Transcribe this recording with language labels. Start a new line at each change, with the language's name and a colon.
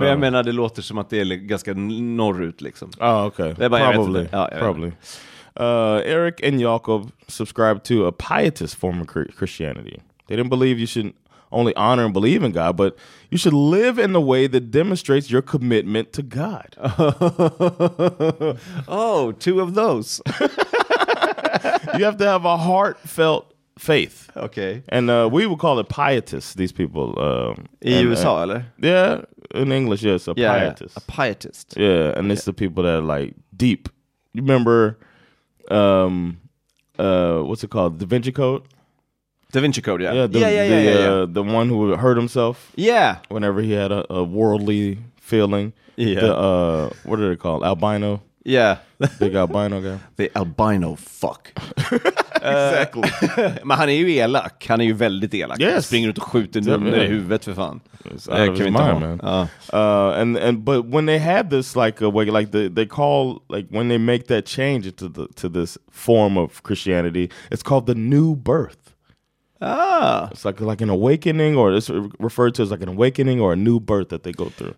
Swedish: Men jag menar, det låter som att det är ganska norrut, liksom.
English: Oh, okay.
Swedish: Det är bara,
English: probably.
Swedish: Jag vet inte. Ja,
English: probably. Erik and Jakob subscribed to a pietist form of Christianity. They didn't believe you should only honor and believe in God, but you should live in a way that demonstrates your commitment to God. Oh, two of those. You have to have a heartfelt faith. Okay. And we would call it pietists, these people.
Swedish: I USA, eller?
English: Yeah, in English, yes, a pietist. A pietist. Yeah, and it's the people that are like deep. You remember... what's it called? Da Vinci Code? Da Vinci Code, yeah. The one who hurt himself. Yeah. Whenever he had a worldly feeling. Yeah. What did it call? Albino. Yeah. Big albino guy. The albino fuck. Exactly.
Swedish: Men han är ju elak. Han är ju väldigt elak.
English: Yes.
Swedish: Han springer ut och skjuter nummer i huvudet för fan. Det kan vi inte ha.
English: And but when they had this like a way, like they call, like when they make that change to this form of Christianity, it's called the new birth. Ah, it's like an awakening, or it's referred to as like an awakening or a new birth that they go through.